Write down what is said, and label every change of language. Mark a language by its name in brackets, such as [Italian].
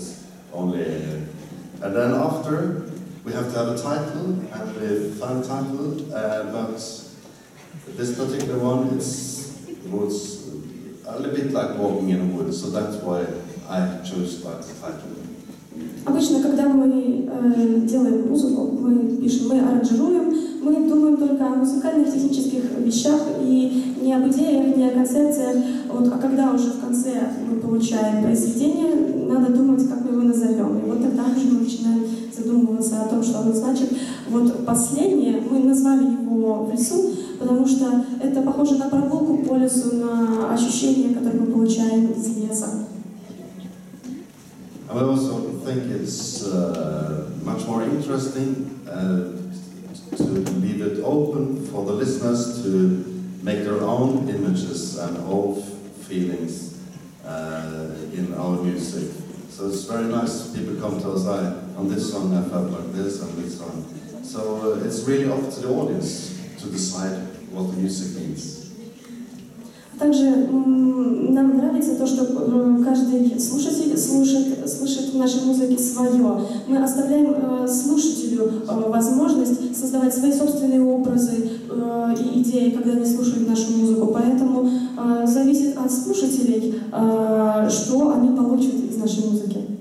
[English] It's only, and then after, we have to have a title, and we find a title. But this particular one was a little bit like walking in the woods, so that's why I chose that title. [Russian] Обычно, когда мы делаем музыку, мы пишем, мы аранжируем, мы думаем только о музыкальных, технических вещах и не об идеях, не о концепциях. Вот, а когда уже в конце мы получаем произведение, надо думать, как мы его назовем. И вот тогда уже мы начинаем задумываться о том, что оно значит. Вот последнее, мы назвали его в лесу, потому что это похоже на прогулку по лесу, на ощущение, которое мы получаем из леса. [English] And I also think it's much more interesting to leave it open for the listeners to make their own images and own feelings in our music. So it's very nice. People come to us, on this song I felt like this, on this song. So it's really up to the audience to decide what the music means. [Russian] Также нам нравится то, что каждый слушатель слышит в нашей музыке свое. Мы оставляем слушателю возможность создавать свои собственные образы и идеи, когда они слушают нашу музыку. Поэтому зависит от слушателей, что они получат из нашей музыки.